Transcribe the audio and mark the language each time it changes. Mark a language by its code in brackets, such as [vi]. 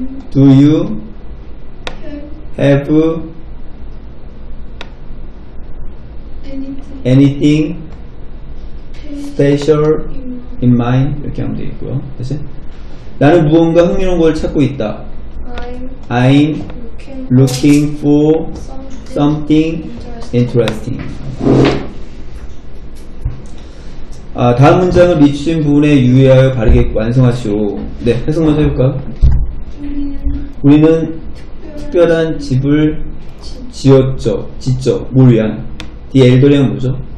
[en] Do you have anything special in mind? [ko] 이렇게 하면 되겠고요. 그치? 나는 무언가 흥미로운 걸 찾고 있다. [en] I'm looking for something interesting. [ko] 아, 다음 문장을 미친 부분에 유의하여 바르게 완성하시오. 네, 해석 먼저 해볼까요? 우리는 특별한 집을 지었죠. 짓죠. 뭘 위한? 이 엘더리안 뭐죠?